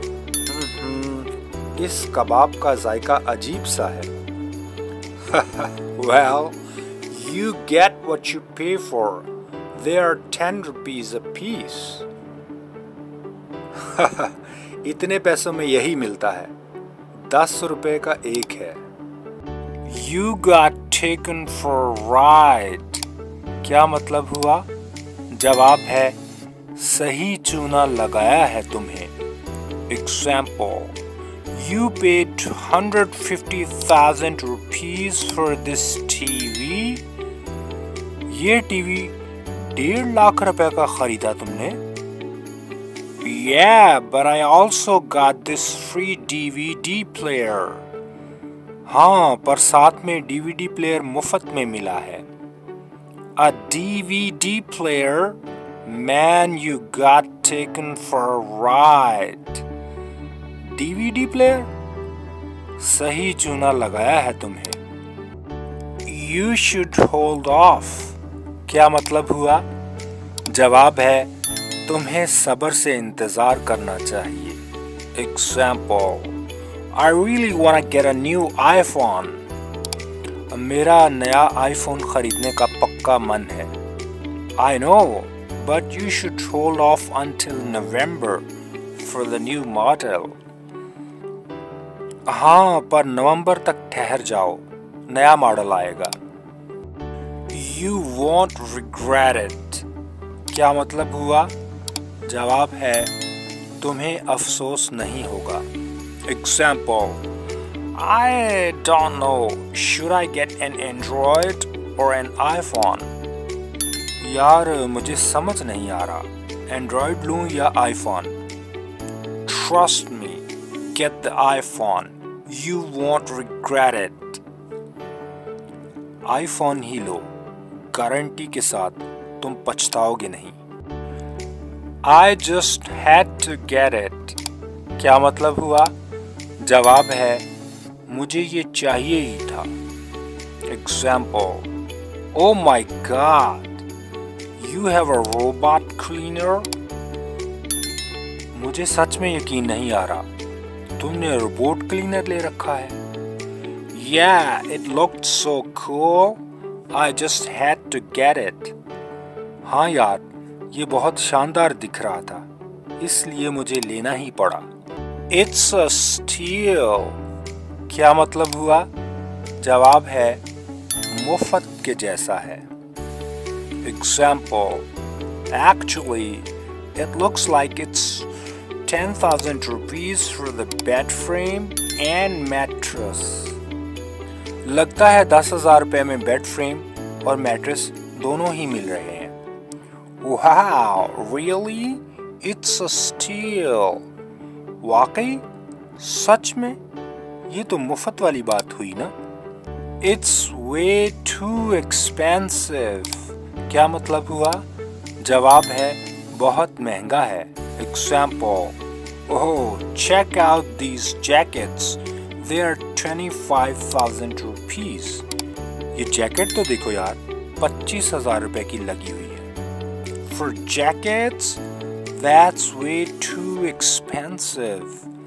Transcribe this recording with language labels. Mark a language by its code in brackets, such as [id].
[hi] इस कबाब का जायका अजीब सा है. [en] Well, you get what you pay for. They are 10 rupees a piece. [hi] इतने पैसों में यही मिलता है. 10 रुपए का एक है. [en] You got taken for a ride. [hi] क्या मतलब हुआ? जवाब है, सही चूना लगाया है तुम्हें. [en] Example. You paid 150,000 rupees for this TV. [hi] ये टीवी 1.5 लाख रुपए का खरीदा तुमने? [en] Yeah, but I also got this free DVD player. [hi] हाँ, पर साथ में DVD player मुफ्त में मिला है. [en] A DVD player? Man, you got taken for a ride. DVD player? [hi] सही चूना लगाया है तुम्हें. [en] You should hold off. [hi] क्या मतलब हुआ? जवाब है, तुम्हें सबर से इंतजार करना चाहिए. [en] Example. I really wanna get a new iPhone. [hi] मेरा नया आईफोन खरीदने का पक्का मन है. [en] I know, but you should hold off until November for the new model. [hi] हाँ, पर नवंबर तक ठहर जाओ, नया मॉडल आएगा. [en] You won't regret it. [hi] क्या मतलब हुआ? जवाब है, तुम्हें अफसोस नहीं होगा. [en] Example. I don't know, should I get an Android or an iPhone? [hi] यार मुझे समझ नहीं आ रहा, Android लूँ या iPhone? [en] Trust me, get the iPhone. You won't regret it. [hi] iPhone he low, guarantee के साथ तुम पछताओगे नहीं. [en] I just had to get it. [hi] क्या मतलब हुआ? जवाब है, मुझे ये चाहिए ही था. [en] Example. Oh my God, you have a robot cleaner? [hi] मुझे सच में यकीन नहीं आ रहा, तुमने रोबोट क्लीनर ले रखा है? [en] Yeah, it looked so cool. I just had to get it. [hi] हाँ यार, ये बहुत शानदार दिख रहा था, इसलिए मुझे लेना ही पड़ा. [en] It's a steal. [hi] क्या मतलब हुआ? जवाब है, मुफ्त के जैसा है. [en] Example. Actually, it looks like it's 10,000 rupees for the bed frame and mattress. [hi] लगता है 10,000 रुपए में बेड फ्रेम और मैट्रेस दोनों ही मिल रहे हैं. [en] Wow, really? It's a steal. [hi] वाकई? सच में? ये तो मुफ्त वाली बात हुई ना. [en] It's way too expensive. [hi] क्या मतलब हुआ? जवाब है, बहुत महंगा है. [en] Example. Oh, check out these jackets. They are 25,000 rupees. [hi] ये जैकेट तो देखो यार, 25,000 रुपए की लगी हुई है. [en] For jackets? That's way too expensive.